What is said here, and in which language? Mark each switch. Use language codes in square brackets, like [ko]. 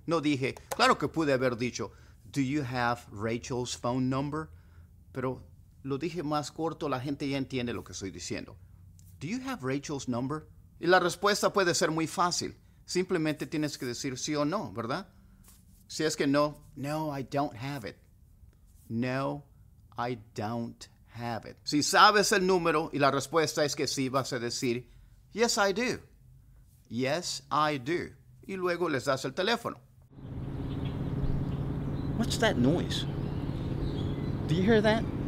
[es] No dije, claro que pude haber dicho, [en] do you have Rachel's phone number? [es] Pero lo dije más corto, la gente ya entiende lo que estoy diciendo. [en] Do you have Rachel's number? [es] Y la respuesta puede ser muy fácil. Simplemente tienes que decir sí o no, ¿verdad? Si es que no, no, [en] I don't have it. No, I don't have it. [es] Si sabes el número y la respuesta es que sí, vas a decir, [en] yes, I do. Yes, I do. [es] Y luego les das el teléfono. [en] What's that noise? Do you hear that?